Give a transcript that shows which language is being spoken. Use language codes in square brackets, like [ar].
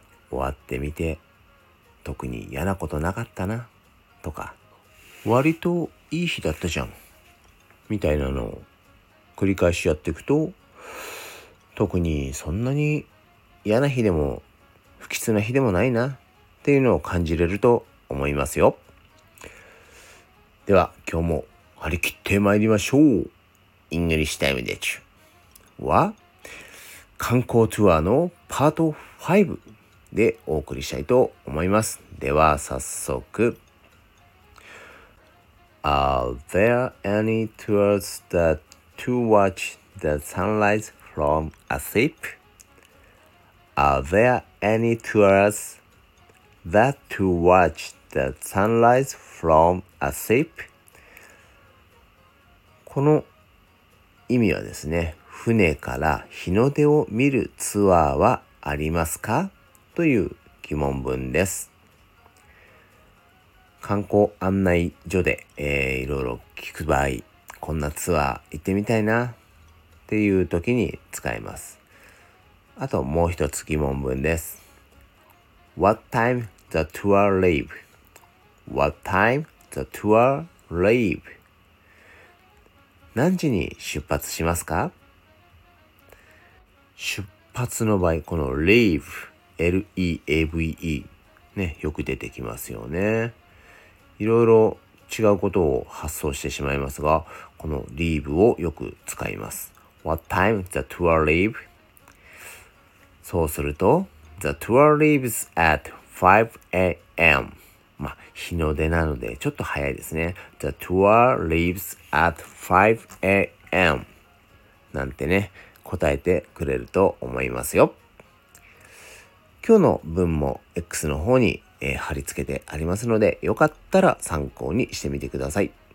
[ja] 終わってみて特に嫌なことなかったなとか、割といい日だったじゃんみたいなのを繰り返しやっていくと、特にそんなに嫌な日でも不吉な日でもないなっていうのを感じれると思いますよ。では今日も張り切ってまいりましょう。イングリッシュタイムでちゅは観光ツアーのパート5でお送りしたいと思います。では早速、 [en] Are there any tours that to watch the sunrise from a ship? Are there any tours that to watch the sunrise from a ship? [ja] この意味はですね、船から日の出を見るツアーはありますか？という疑問文です。観光案内所で、いろいろ聞く場合、こんなツアー行ってみたいなっていう時に使います。あともう一つ疑問文です。 [en] What time the tour leave? What time the tour leave? [ja] 何時に出発しますか？出発の場合、この leave、L-E-A-V-E ね、よく出てきますよね。いろいろ違うことを発想してしまいますが、この leave をよく使います。 [en] What time the tour leave? [ja] そうすると [en] The tour leaves at 5 a.m. [ja] まあ日の出なのでちょっと早いですね。 [en] The tour leaves at 5 a.m. [ja] なんてね、答えてくれると思いますよ。今日の文も X の方に、貼り付けてありますので、よかったら参考にしてみてください。